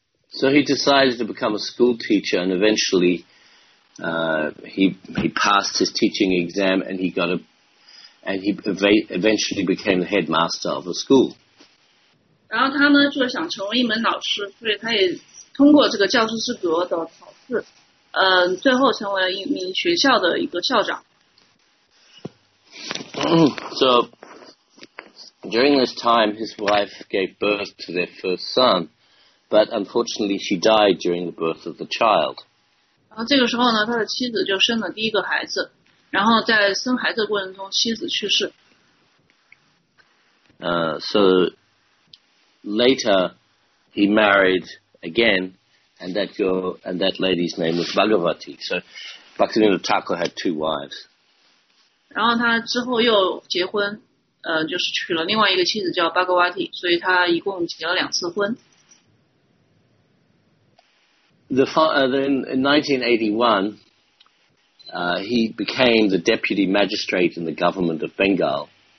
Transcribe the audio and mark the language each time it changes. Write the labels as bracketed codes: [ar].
[en] So he decided to become a school teacher, and eventually he passed his teaching exam and he eventually became the headmaster of a school. [zh] 然后他呢就想成为一门老师，所以他也通过这个教师资格的考试，最后成为了一名学校的一个校长。 [en] So during this time, his wife gave birth to their first son, but unfortunately, she died during the birth of the child. [zh] 然后这个时候呢，他的妻子就生了第一个孩子，然后在生孩子的过程中，妻子去世。 [en] Later, he married again, and that lady's name was Bhagavati. So, Bhaktivinoda Thakur had two wives. [zh] 然后他之后又结婚，就是娶了另外一个妻子叫 Bhagavati. 所以他一共结了两次婚。 [en] Then in 1981, he became the deputy magistrate in the government of Bengal.